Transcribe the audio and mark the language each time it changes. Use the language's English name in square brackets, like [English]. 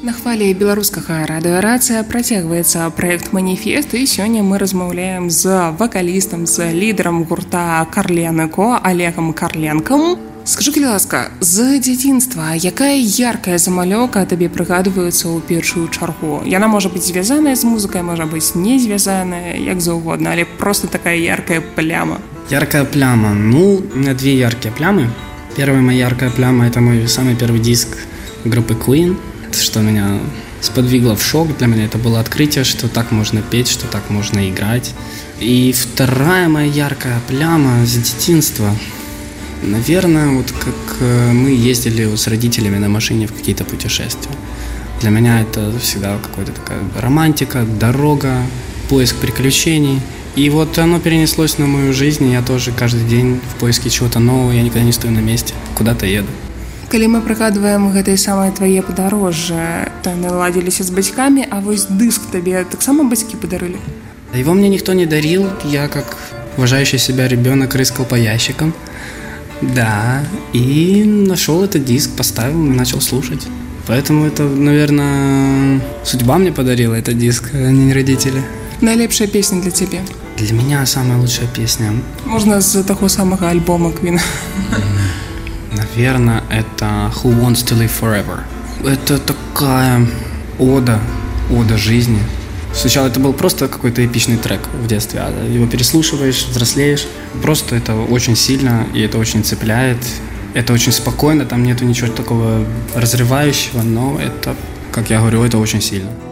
[Belarusian] Беларускага радыё рацыя працягваецца праект маніфест, і сёння мы размаўляем з вакалістам, з лідарам гурта Карленко Алегам Карленкам. Скажы, калі ласка, з дзяцінства якая яркая замалёўка табе прыгадваецца ў першую чаргу? Яна можа быць звязаная з музыкай, можа быць не звязаная, як заўгодна, але [Russian] просто [Belarusian] такая яркая пляма. Яркая пляма. Ну, на дзве яркія плямы. [Russian] Первая моя яркая пляма — это мой самый первый диск группы Queen. Что меня сподвигло в шок. Для меня это было открытие, что так можно петь, что так можно играть. И вторая моя яркая пляма с детинства. Наверное, вот как мы ездили с родителями на машине в какие-то путешествия. Для меня это всегда какая-то такая романтика, дорога, поиск приключений. И вот оно перенеслось на мою жизнь. Я тоже каждый день в поиске чего-то нового. Я никогда не стою на месте, куда-то еду. [Belarusian] Калі мы прыгадваем гэтае самае твае падарожжа, то наладзіліся з бацькамі, а вось дыск табе таксама бацькі падарылі? [Russian] Его мне ніхто не дарил, я как уважающий себя ребёнок рыскал по ящикам. Да, і нашёл этот диск, поставил, начал слушать. Поэтому это, наверное, судьба мне подарила этот диск, а не родители. [Belarusian] Найлепшая песня для тебе? [Russian] Для меня самая лучшая песня. [Belarusian] Можна з таго самага альбома Queen? [Russian] Наверное, это «Who Wants to Live Forever». Это такая ода жизни. Сначала это был просто какой-то эпичный трек в детстве, а его переслушиваешь, взрослеешь. Просто это очень сильно, и это очень цепляет. Это очень спокойно, там нету ничего такого разрывающего, но это, как я говорю, это очень сильно.